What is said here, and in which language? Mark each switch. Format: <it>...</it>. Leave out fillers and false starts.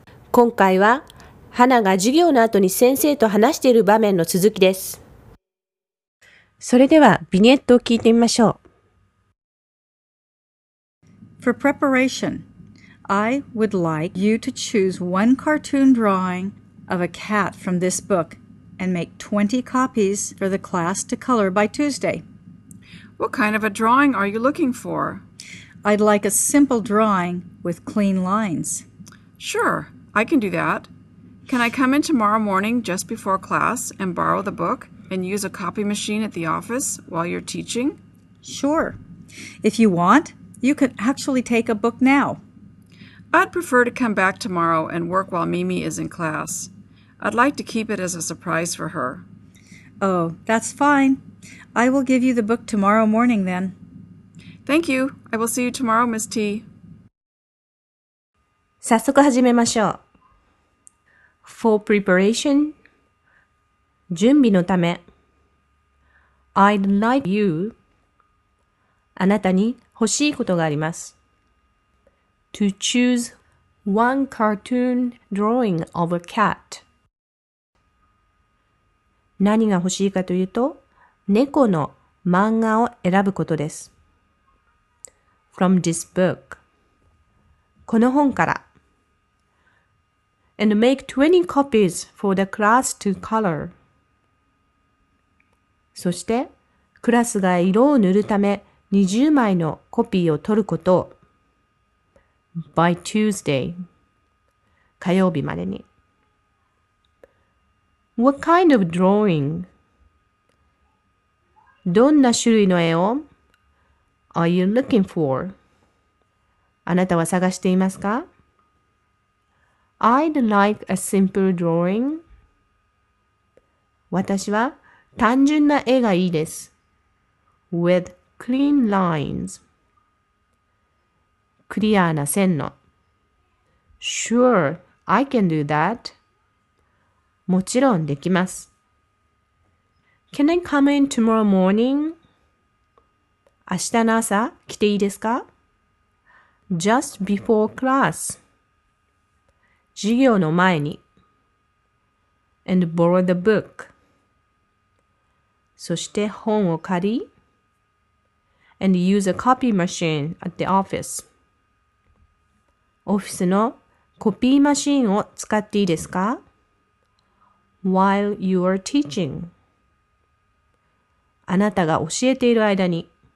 <ja>今回は花が授業の後に先生と話している場面の続きです。それではビニエットを聞いてみましょう。</ja> <en>For preparation, I would like you to choose one cartoon drawing of a cat from this book and make 20 copies for the class to color by Tuesday. What kind of a drawing are you looking for? I'd like a simple drawing with clean lines. Sure, I can do that. Can I come in tomorrow morning just before class and borrow the book and use a copy machine at the office while you're teaching? Sure. If you want, you can actually take a book now. I'd prefer to come back tomorrow and work while Mimi is in class. I'd like to keep it as a surprise for her. Oh, that's fine. I will give you the book tomorrow morning then. Thank you. I will see you tomorrow, Ms. T.</en> <ja>早速始めましょう。</ja> <en>For preparation,</en> <ja>準備のため。</ja> <en>I'd like you,</en> <ja>あなたに欲しいことがあります。</ja> <en>To choose one cartoon drawing of a cat.</en> <ja>何が欲しいかというと、猫の漫画を選ぶことです。</ja> <en>From this book.</en> <ja>この本から。</ja> <en>And make 20 copies for the class to color.</en> <ja>そして、クラスが色を塗るため20枚のコピーを取ること。</ja> <en>By Tuesday.</en> <ja>火曜日までに。</ja> <en>What kind of drawing?</en> <ja>どんな種類の絵を</ja> <en>Are you looking for?</en> <ja>あなたは探していますか?</ja> <en>I'd like a simple drawing.</en> <ja>私は単純な絵がいいです。</ja> <en>With clean lines.</en> <ja>クリアな線の。</ja> <en>Sure, I can do that.</en> <ja>もちろんできます。</ja> <en>Can I come in tomorrow morning?</en> <ja>明日の朝来ていいですか?</ja> <en>Just before class.</en> <ja>授業の前に。</ja> <en>And borrow the book.</en> <ja>そして本を借り。</ja> <en>And use a copy machine at the office.</en> <ja>オフィスのコピーマシンを使っていいですか?</ja> <en>While you are teaching.</en> <ja>あなたが教えている間に。</ja>